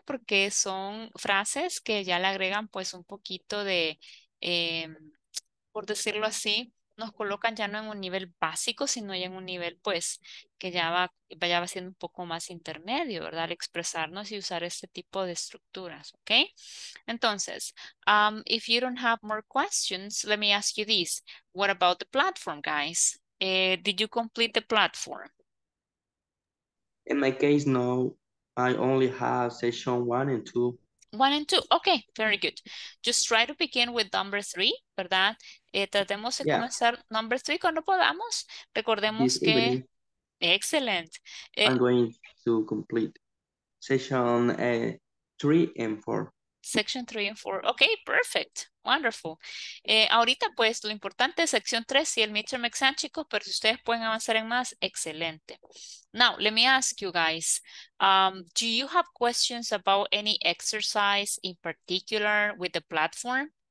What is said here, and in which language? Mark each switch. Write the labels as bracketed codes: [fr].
[es] Porque son frases que ya le agregan pues un poquito de, por decirlo así, nos colocan ya no en un nivel básico, sino ya en un nivel pues que ya va siendo un poco más intermedio, ¿verdad? Al expresarnos y usar este tipo de estructuras, ¿ok? Entonces, [en] if you don't have more questions, let me ask you this. What about the platform, guys? Did you complete the platform? In my case, no. I only have session 1 and 2. 1 and 2. Okay, very good. Just try to begin with number 3, [es] ¿verdad? Tratemos de comenzar [en] number 3 [es] cuando podamos. Recordemos [en] this [es] que... [en] evening, excellent. I'm going to complete session 3 and 4. Section 3 and 4. Okay, perfect. Wonderful. [es] Ahorita, pues, lo importante es sección 3 y el midterm exam, chicos, pero si ustedes pueden avanzar en más, excelente. [en] Now, let me ask you guys, do you have questions about any exercise in particular with the platform?